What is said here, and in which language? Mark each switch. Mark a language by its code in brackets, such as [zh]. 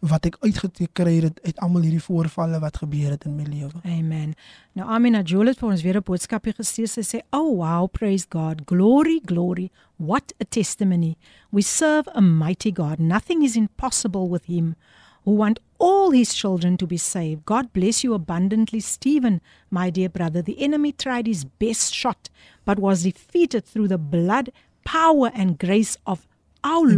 [af] Wat ek uitgekry het uit almal hierdie voorvalle wat gebeur het in my lewe. Amen. Nou Amina Jewel het vir ons weer 'n boodskapje gestuur. Sy sê, [en] oh wow, praise God, glory, glory, what a testimony. We serve a mighty God, nothing is impossible with him. Who want all his children to be saved. God bless you abundantly, Stephen, my dear brother. The enemy tried his best shot, but was defeated through the blood, power, and grace of our Amen.